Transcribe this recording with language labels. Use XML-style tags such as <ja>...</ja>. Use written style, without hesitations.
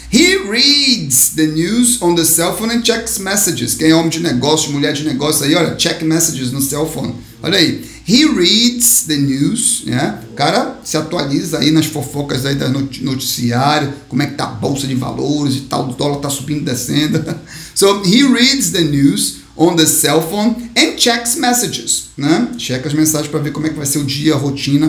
<en>He reads the news on the cell phone and checks messages.</en> <pt>Quem é homem de negócio, mulher de negócio aí, olha,</pt> <en>check messages</en> <pt>no cell phone. Olha aí.</pt> <en>He reads the news,</en> <pt>né? Cara, se atualiza aí nas fofocas aí do noticiário, como é que tá a bolsa de valores e tal, o dólar tá subindo e descendo.</pt> <en>So, he reads the news on the cell phone and checks messages, né?</en> <pt>Checa as mensagens para ver como é que vai ser o dia, a rotina.</pt>